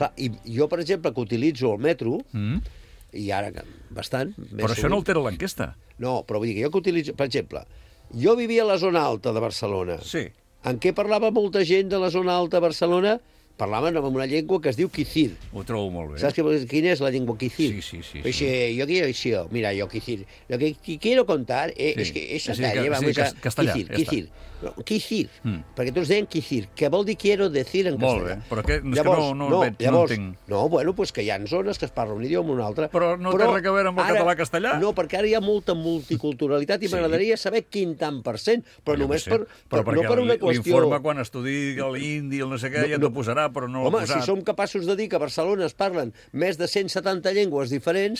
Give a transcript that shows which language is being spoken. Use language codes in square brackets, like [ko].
[ca] Clar, i jo, per exemple, que utilitzo el metro, i ara bastant... Però això no altera l'enquesta. No, però vull dir que jo que utilitzo... Per exemple... Jo vivia a la zona alta de Barcelona. Sí. En què parlava molta gent de la zona alta de Barcelona? Parlaven amb una llengua que es diu quicid. Ho trobo molt bé. Saps quina és la llengua quicid? Sí, sí, sí. [es] Jo quiero decir, mira, yo quicid. Lo que quiero contar es que esa calle va a ser quicid. Quicid. [ca] Perquè tots deien quicid. Què vol dir [es] quiero decir [ca] en castellà? Molt bé. Però que, llavors, que no veig, llavors, no entenc. No, bueno, pues que hi ha zones que es parla un idioma o un altre. Però no té res a veure amb el català-castellà? No, perquè ara hi ha molta multiculturalitat i m'agradaria saber quin tant percent, però només per... Però perquè l'informe quan estudi l'indi, el no sé què, ja t'ho posarà. Però no home, si som capaços de dir que a Barcelona es parlen més de 170 llengües diferents,